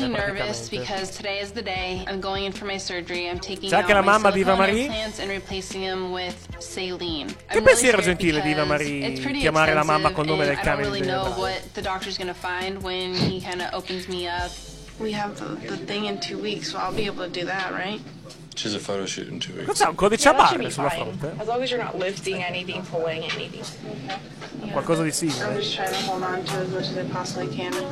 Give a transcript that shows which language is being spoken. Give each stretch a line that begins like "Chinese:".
English: I'm nervous because today is the day I'm going in for my surgery. I'm taking out
Italian: la mamma di Iva Marie
English: and replacing him with saline.
Italian: Che pensiero gentile di Iva Marie chiamare la mamma col nome del cane.
English: I don't really know what the doctor's gonna find when he kind of opens me up. We have the thing in 2 weeks, so I'll be able to do that, right? She's a photo shoot in 2 weeks.
Italian: Cos'è un codice a barre sulla fronte?
English: As long as you're not lifting anything, pulling anything.
Italian: Yeah. Qualcosa di simile.
English: I'm just trying to hold on to as much as I possibly can.